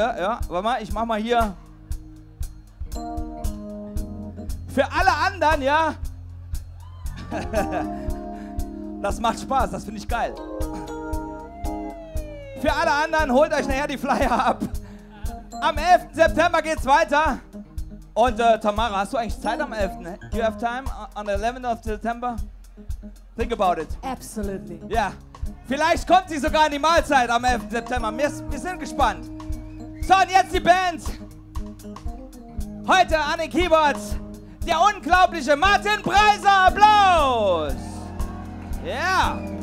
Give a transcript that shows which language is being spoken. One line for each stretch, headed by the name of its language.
German: Ja, warte mal, ich mach mal hier. Für alle anderen, ja. Das macht Spaß, das finde ich geil. Für alle anderen, holt euch nachher die Flyer ab. Am 11. September geht's weiter. Und Tamara, hast du eigentlich Zeit am 11.?
English: Do you have time on the 11th of September? Think about it. Absolutely. Ja. Yeah.
German: Vielleicht kommt sie sogar in die Mahlzeit am 11. September. Wir sind gespannt. So, und jetzt die Band. Heute an den Keyboards. Der unglaubliche Martin Preiser. Applaus. Ja. Yeah.